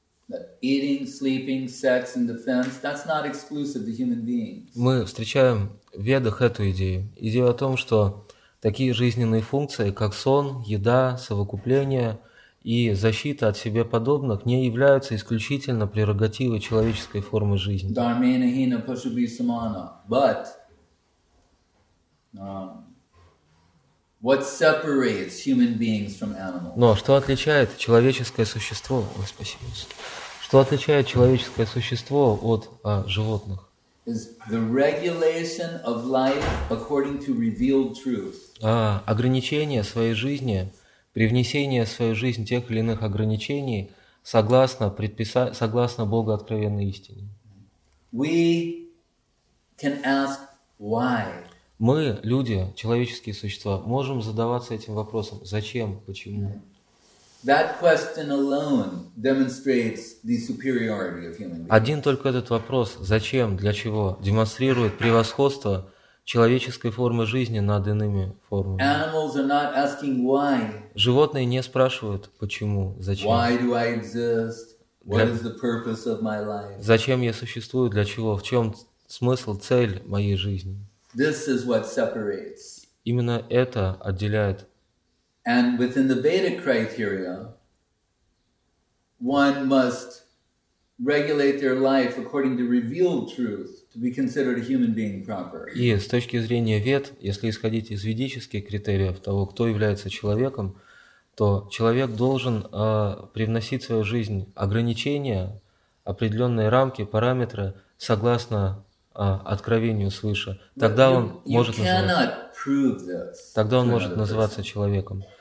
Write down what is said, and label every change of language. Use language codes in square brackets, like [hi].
[en] That eating, sleeping, sex and defense, that's not exclusive to human beings. [ru] Мы встречаем в Ведах эту идею. Идея о том, что такие жизненные функции, как сон, еда, совокупление и защита от себе подобных, не являются исключительно прерогативой человеческой формы жизни. [sa] Dharmena hina pushubhi samana. [en] But what separates human beings from animals? [ru] Но что отличает человеческое существо? Ой, спасибо. Что отличает человеческое существо от животных? [en] Is the regulation of life according to revealed truth? [ru] Ограничение своей жизни, привнесение в свою жизнь тех или иных ограничений согласно Богу откровенной истине. [en] We can ask why. [ru] Мы, люди, человеческие существа, можем задаваться этим вопросом: зачем, почему? [en] That question alone demonstrates the superiority of human beings. [ru] Один только этот вопрос, зачем, для чего, демонстрирует превосходство человеческой формы жизни над иными формами. [en] Animals are not asking why. [ru] Животные не спрашивают, почему, зачем. [en] Why do I exist? What is the purpose of my life? [ru] Зачем я существую, для чего, в чем смысл, цель моей жизни? [en] This is what separates. [ru] Именно это отделяет. [en] And within the Veda criteria, one must regulate their life according to revealed truth to be considered a human being proper. [ru] И с точки зрения Вед, если исходить из ведических критериев того, кто является человеком, то человек должен привносить в свою жизнь ограничения, определенные рамки, параметры, согласно откровению свыше. Тогда он может называться человеком.